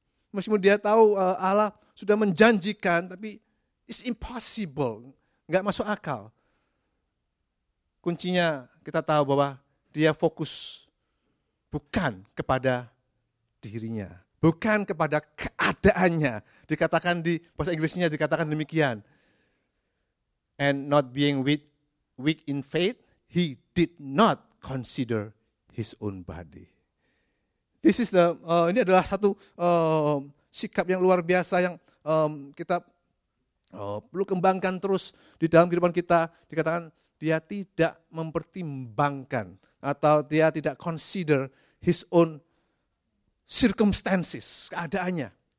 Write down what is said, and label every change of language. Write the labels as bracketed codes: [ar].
[id] Meskipun dia tahu Allah sudah menjanjikan, tapi [en] it's impossible, [id] enggak masuk akal. Kuncinya kita tahu bahwa dia fokus bukan kepada dirinya, bukan kepada keadaannya. Dikatakan di bahasa Inggrisnya dikatakan demikian. [en] And not being weak in faith, he did not consider his own body. This is [id] ini adalah satu sikap yang luar biasa yang kita perlu kembangkan terus di dalam kehidupan kita. Dikatakan dia tidak mempertimbangkan atau dia tidak [en] consider his own circumstances, [id] keadaannya.